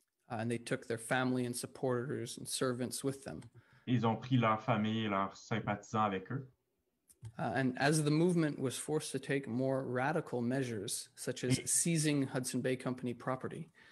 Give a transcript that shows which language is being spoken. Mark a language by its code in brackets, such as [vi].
[en] And they took their family and supporters and servants with them. [fr] Ils ont pris leur famille et leurs sympathisants avec eux. [en] And as the movement was forced to take more radical measures, such as seizing Hudson Bay Company property.